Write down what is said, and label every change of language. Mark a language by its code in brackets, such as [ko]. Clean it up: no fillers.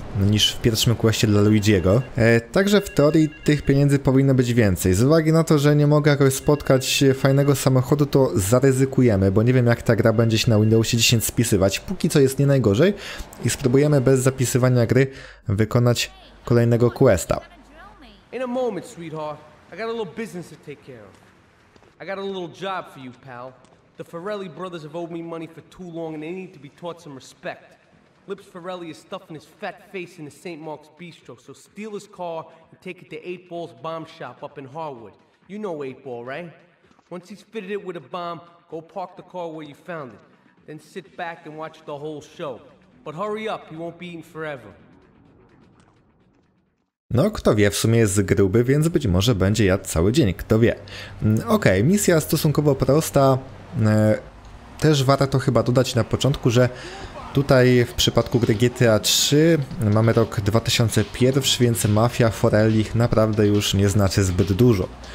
[pl] Niż w pierwszym questie dla Luigi'ego. Także w teorii tych pieniędzy powinno być więcej. Z uwagi na to, że nie mogę jakoś spotkać fajnego samochodu, to zaryzykujemy, bo nie wiem, jak ta gra będzie się na Windowsie 10 spisywać. Póki co jest nie najgorzej i spróbujemy bez zapisywania gry wykonać kolejnego questa. [en] In a moment, sweetheart. I got a little business to take care of. I got a little job for you, pal. The Farrelly brothers have owed me money for too long and they need to be taught some respect. Lips Ferrelli is stuffing his fat face into St. Mark's Bistro, so steal his car and take it to 8 Ball's bomb shop up in Harwood. You know 8 Ball, right? Once he's fitted it with a bomb, go park the car where you found it. Then sit back and watch the whole show. But hurry up, he won't be eating forever. [pl] No, kto wie, w sumie jest gruby, więc być może będzie jadł cały dzień, kto wie. Okej, misja stosunkowo prosta. Też warto chyba dodać na początku, że tutaj w przypadku gry GTA 3 mamy rok 2001, więc mafia Forelli naprawdę już nie znaczy zbyt dużo.